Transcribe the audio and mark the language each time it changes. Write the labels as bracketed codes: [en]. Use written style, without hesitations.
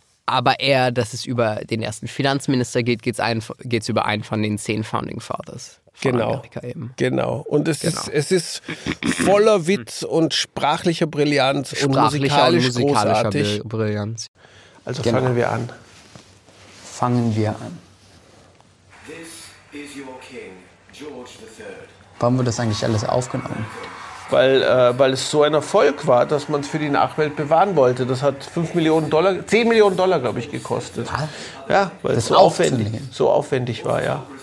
[de] Aber eher, dass es über den ersten Finanzminister geht, geht es über einen von den 10 Founding Fathers Amerika eben. Genau. Und es ist voller Witz und sprachlicher Brillanz und musikalischer Brillanz. Fangen wir an. Fangen wir an. [en] This is your king, George III. [de] Warum wird das eigentlich alles aufgenommen? Weil es so ein Erfolg war, dass man es für die Nachwelt bewahren wollte. Das hat 10 Millionen Dollar, glaube ich, gekostet. Was? Ja, weil das es so aufwendig war, ja.